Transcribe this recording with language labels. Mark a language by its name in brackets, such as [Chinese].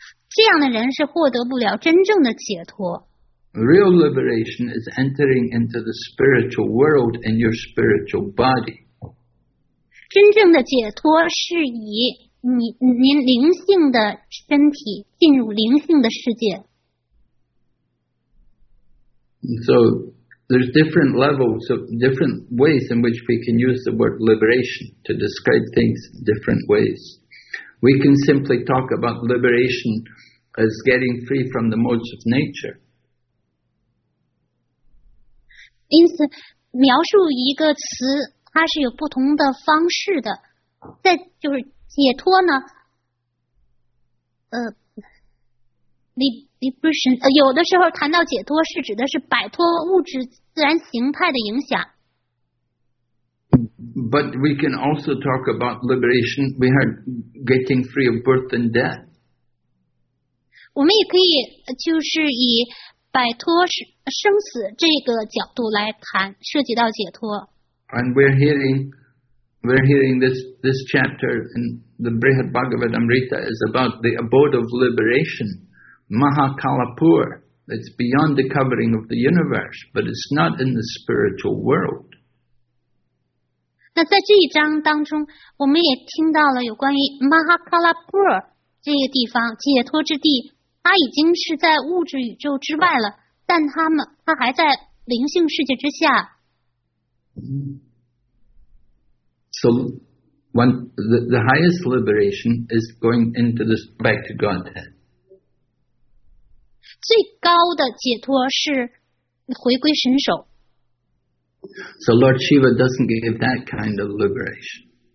[Chinese] 这样的人是获得不了真正的解脱。 [English] Real liberation is entering into the spiritual world in your spiritual body. [Chinese] 真正的解脱是以您灵性的身体进入灵性的世界。 [English] So there's different levels of different ways in which we can use the word liberation to describe things in different ways. We can simply talk about liberation as getting free from the modes of nature. [Chinese] 因此描述一个词它是有不同的方式的。在就是解脱呢liberation， 有的时候谈到解脱是指的是摆脱物质自然形态的影响。 [English] But we can also talk about liberation. We are getting free of birth and death. [Chinese] 我们也可以就是以摆脱生死这个角度来谈，涉及到解脱。 [English] And we're hearing this chapter in the Brihad Bhagavatamrita is about the abode of liberation. Mahakalapur, it's beyond the covering of the universe, but it's not in the spiritual world. [Chinese] 那在这一章当中，我们也听到了有关于 Mahakalapur 这个地方，解脱之地，它已经是在物质宇宙之外了，但它还在灵性世界之下。 [English] So One, the highest liberation is going into this back to Godhead. [Chinese] 最高的解脱是回归神手。 [English] So Lord Shiva doesn't give that kind of liberation.